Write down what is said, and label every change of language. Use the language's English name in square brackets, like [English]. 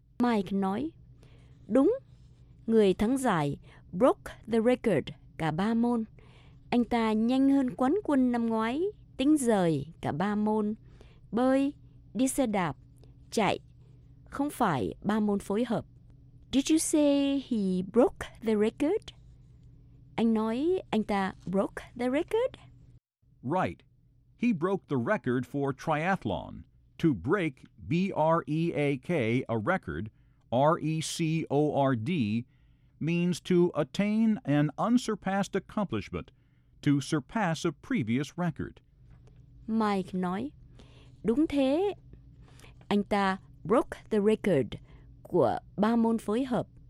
[Vietnamese] Mike nói, đúng, người thắng giải [English] broke the record [Vietnamese] cả ba môn. Anh ta nhanh hơn quán quân năm ngoái, tính rời cả ba môn, bơi, đi xe đạp, chạy, không phải ba môn phối hợp. [English] Did you say he broke the record? [Vietnamese] Anh nói anh ta [English] broke the record? Right. He broke the record for triathlon. To break, B-R-E-A-K, a record, R-E-C-O-R-D, means to attain an unsurpassed accomplishment, to surpass a previous record. [Vietnamese] Mike nói, đúng thế. Anh ta [English] broke the record [Vietnamese] của ba môn phối hợp.